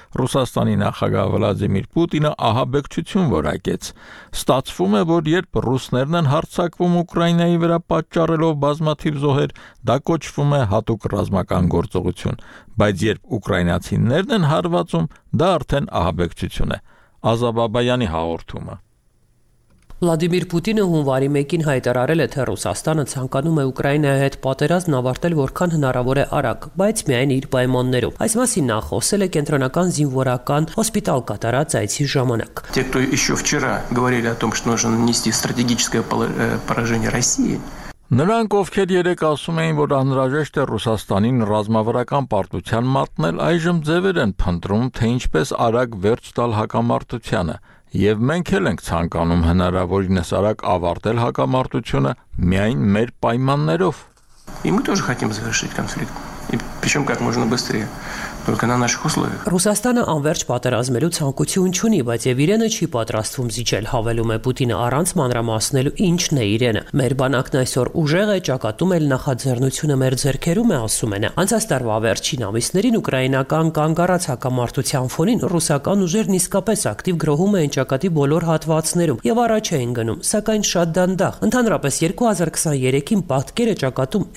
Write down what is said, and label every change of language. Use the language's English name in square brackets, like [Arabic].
[Armenian] Ռուսաստանի նախագահ Վլադիմիր Պուտինը ահաբեկչություն որակեց։ Ստացվում է, որ երբ ռուսներն են հարձակվում Ուկրաինայի վրա պատճառելով բազմաթիվ զոհեր, դա կոչվում է հատուկ ռազմական գործողություն, բայց երբ ուկրաինացիներն են հարվածում, դա արդեն ահաբեկչություն է, Ազաբաբայանի հաղորդումը։ Վլադիմիր Պուտինը հունվարի 1-ին հայտարարել է, թե Ռուսաստանը ցանկանում է Ուկրաինայի հետ պատերազմ ավարտել որքան հնարավոր է արագ, բայց միայն իր պայմաններով։ Այս մասին նա խոսել է կենտրոնական զինվորական հոսպիտալ կատարած այցի ժամանակ։ [Russian] Те, кто ещё вчера говорили о том, что нужно нанести стратегическое поражение России, [Armenian] նրանք, ովքեր երեկ ասում էին, որ անհրաժեշտ է Ռուսաստանին ռազմավարական պարտության մատնել, այժմ ձևեր են փնտրում, թե ինչպես արագ վերջ տալ հակամարտությանը, և մենք էլ ենք ցանկանում հնարավորինս արագ ավարտել հակամարտությունը միայն մեր պայմաններով։ [Russian] И мы тоже хотим завершить конфликт Причем как можно быстрее. Только на наших условиях. [Armenian] Ռուսաստանը անվերջ պատերազմելու ցանկություն չունի, բայց եւ իրենը չի պատրաստվում զիջել, հավելում է Պուտինը առանց մանրամասնելու ինչն է իրենը. Մեր բանակն այսօր ուժեղ է, ճակատում էլ նախաձեռնությունը մեր ձեռքերում է, ասում են։ Անցած տարվա վերջին ամիսներին ուկրաինական կանգ առած հակամարտության ֆոնին ռուսական ուժերն իսկապես ակտիվ գրոհում էին ճակատի բոլոր հատվածներում եւ առաջ էին գնում, սակայն շատ դանդաղ։ Ընդհանրապես 2023-ին պատկերը ճակատում